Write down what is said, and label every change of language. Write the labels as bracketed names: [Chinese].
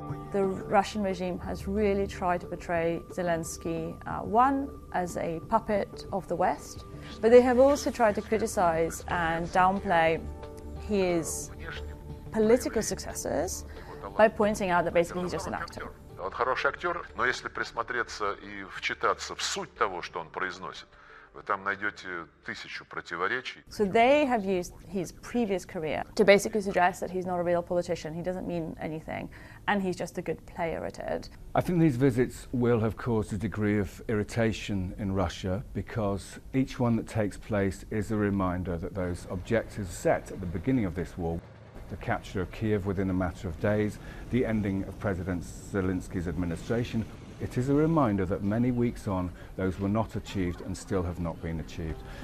[English] The Russian regime has really tried to portray Zelensky, one, as a puppet of the West, but they have also tried to criticize and downplay his political successes by pointing out that basically he's just an actor. [Russian] Вот хороший актер, но если присмотреться и вчитаться в суть того, что он произносит, вы там найдете тысячу противоречий. [English] So they have used his previous career to basically suggest that he's not a real politician, he doesn't mean anything, and he's just a good player at it. I think these visits will have caused a degree of irritation in Russia because each one that takes place is a reminder that those objectives set at the beginning of this war, the capture of Kyiv within a matter of days, the ending of President Zelensky's administration, it is a reminder that many weeks on, those were not achieved and still have not been achieved.